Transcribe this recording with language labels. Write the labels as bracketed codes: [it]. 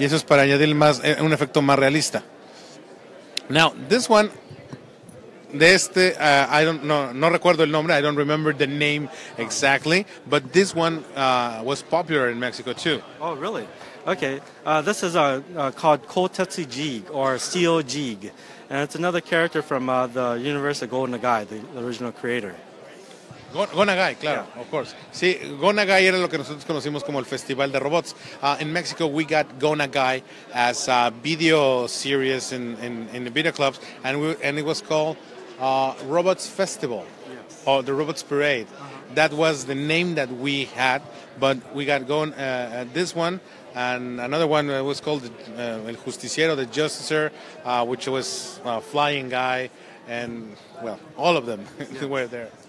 [es] y eso es para añadir más, un efecto más realista. [en] Now, this one. [es] De este, no recuerdo el nombre, [en] I don't remember the name exactly, but this one was popular in Mexico too. Oh, really? Okay, this is called Kotetsu Jig, or Steel Jig, and it's another character from the universe of Go Nagai, the original creator. Go Nagai, claro, yeah. Of course. [es] Sí, Go Nagai era lo que nosotros conocimos como el Festival de Robots. [en] In Mexico, we got Go Nagai as a video series in the video clubs, and it was called Robots Festival, yes. Or the Robots Parade. Uh-huh. That was the name that we had, but we got going this one, and another one was called El Justiciero, the Justicer, which was a flying guy, and, well, all of them were there.